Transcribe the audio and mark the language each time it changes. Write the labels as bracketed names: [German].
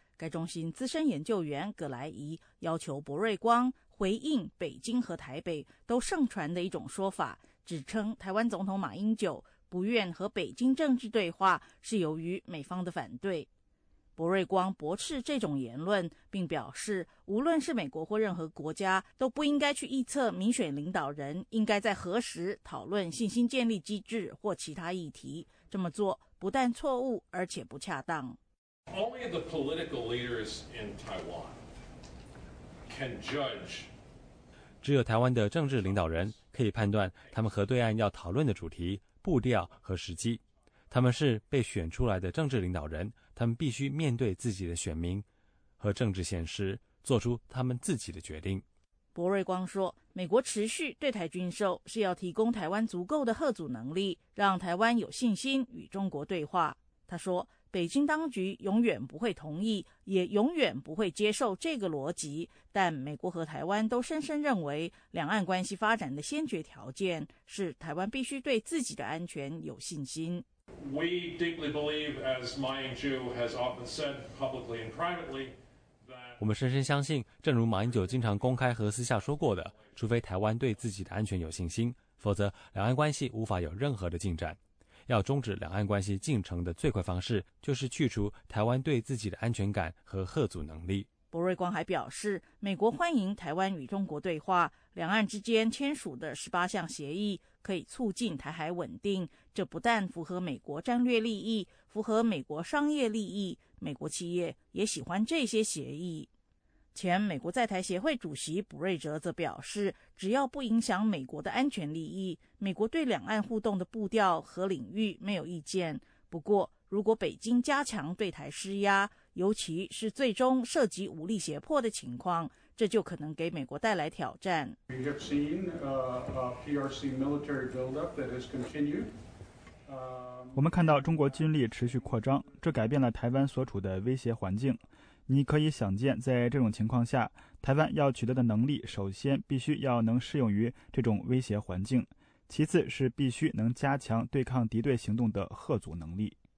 [Chinese] 该中心资深研究员葛莱仪要求博瑞光回应北京和台北都盛传的一种说法，指称台湾总统马英九不愿和北京政治对话是由于美方的反对。博瑞光驳斥这种言论，并表示无论是美国或任何国家都不应该去臆测民选领导人应该在何时讨论信心建立机制或其他议题，这么做不但错误而且不恰当。 [English] Only the political leaders in Taiwan can judge. [Chinese] 只有台湾的政治领导人可以判断他们核对案要讨论的主题、步调和时机。他们是被选出来的政治领导人，他们必须面对自己的选民和政治现实，做出他们自己的决定。博瑞光说，美国持续对台军售是要提供台湾足够的吓阻能力，让台湾有信心与中国对话。他说，北京当局永远不会同意，也永远不会接受这个逻辑，但美国和台湾都深深认为，两岸关系发展的先决条件是台湾必须对自己的安全有信心。 [English] We deeply believe, as Ma Ying-jeou has often said publicly and privately, [Chinese] 我们深深相信，正如马英九经常公开和私下说过的，除非台湾对自己的安全有信心，否则两岸关系无法有任何的进展。要终止两岸关系进程的最快方式，就是去除台湾对自己的安全感和吓阻能力。博瑞光还表示，美国欢迎台湾与中国对话，两岸之间签署的18项协议可以促进台海稳定，这不但符合美国战略利益，符合美国商业利益，美国企业也喜欢这些协议。前美国在台协会主席卜瑞哲则表示，只要不影响美国的安全利益，美国对两岸互动的步调和领域没有意见。不过，如果北京加强对台施压，尤其是最终涉及武力胁迫的情况，这就可能给美国带来挑战。 [English] We have seen a PRC military buildup that has continued. [Chinese] 我们看到中国军力持续扩张，这改变了台湾所处的威胁环境。你可以想见，在这种情况下，台湾要取得的能力首先必须要能适用于这种威胁环境，其次是必须能加强对抗敌对行动的吓阻能力。